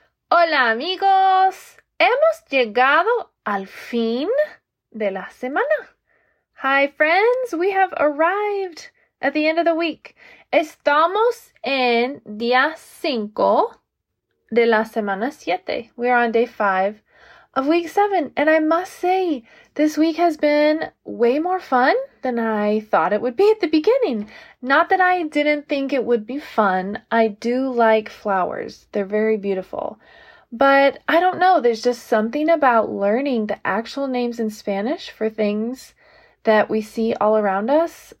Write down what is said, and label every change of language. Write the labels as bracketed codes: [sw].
[es] Hola amigos, hemos llegado al fin de la semana. [en] Hi friends, we have arrived at the end of the week. [es] Estamos en día cinco de la semana siete. [en] We are on day five of week seven. And I must say, this week has been way more fun than I thought it would be at the beginning. Not that I didn't think it would be fun. I do like flowers. They're very beautiful. But I don't know, there's just something about learning the actual names in Spanish for things that we see all around us.